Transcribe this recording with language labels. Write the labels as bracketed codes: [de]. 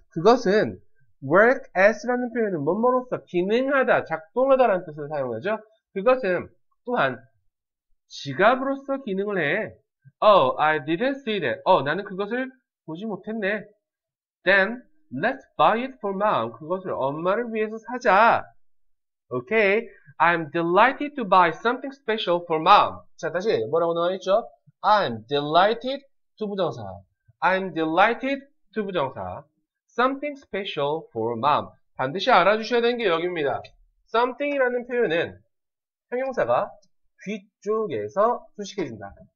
[ko] 그것은 [en] work as [ko] 라는 표현은 뭐뭐로서 기능하다, 작동하다라는 뜻을 사용하죠. 그것은 또한 지갑으로서 기능을 해. [en] Oh, I didn't see that. [ko] 나는 그것을 보지 못했네. [en] Then, let's buy it for mom. [ko] 그것을 엄마를 위해서 사자. [en] Okay, I'm delighted to buy something special for mom. [ko] 자, 다시 뭐라고 나와 있죠? [en] I'm delighted to 부정사. I'm delighted to 부정사. Something special for mom. [ko] 반드시 알아주셔야 되는 게 여기입니다. Something이라는 표현은 형용사가 뒤쪽에서 수식해진다.